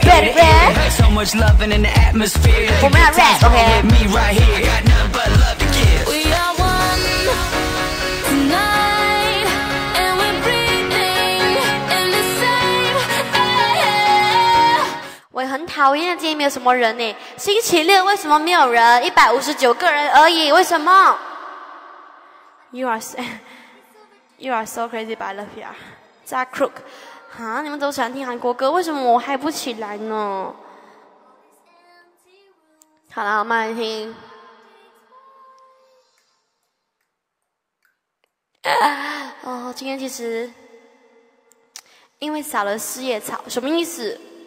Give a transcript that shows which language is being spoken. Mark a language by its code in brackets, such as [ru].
[en] better here. So much loving in the atmosphere. For my rap, okay. Me right here. I got nothing but love to give. We are one tonight, and we're breathing in the same air. [zh] 我很讨厌今天没有什么人呢。星期六为什么没有人？159个人而已，为什么？ [en] You are so crazy, but I love you. Zach Crook. [zh] 哈，你们都喜欢听韩国歌，为什么我嗨不起来呢？好了，我慢慢听。哦，今天其实因为撒了四叶草，什么意思？